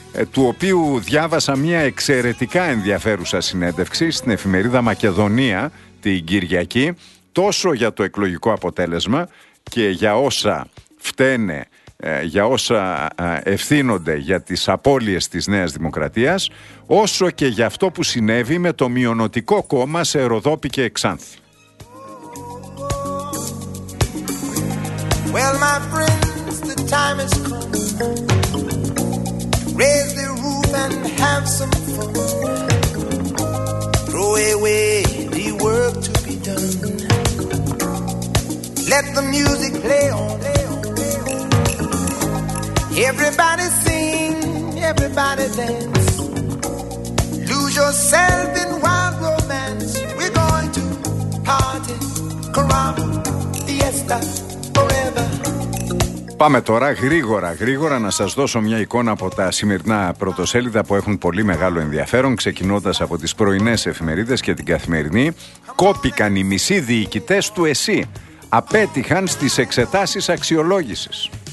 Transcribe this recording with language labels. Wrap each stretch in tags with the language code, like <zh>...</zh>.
<el>του οποίου διάβασα μια εξαιρετικά ενδιαφέρουσα συνέντευξη στην εφημερίδα Μακεδονία την Κυριακή, τόσο για το εκλογικό αποτέλεσμα και για όσα φταίνε, για όσα ευθύνονται για τις απώλειες της Νέας Δημοκρατίας, όσο και για αυτό που συνέβη με το μειονοτικό κόμμα σε Ροδόπη και Εξάνθη.</el> <en>Well, my friends, the time is coming. Raise the roof and have some fun. Throw away the work to be done. Let the music play on. Everybody sing, everybody dance. Lose yourself in wild romance. We're going to party, caramba, fiesta, forever.</en> <el>Πάμε τώρα γρήγορα να σας δώσω μια εικόνα από τα σημερινά πρωτοσέλιδα που έχουν πολύ μεγάλο ενδιαφέρον, ξεκινώντας από τις πρωινές εφημερίδες και την Καθημερινή. Κόπηκαν οι μισοί διοικητές του ΕΣΥ. Απέτυχαν στις εξετάσεις αξιολόγησης.</el>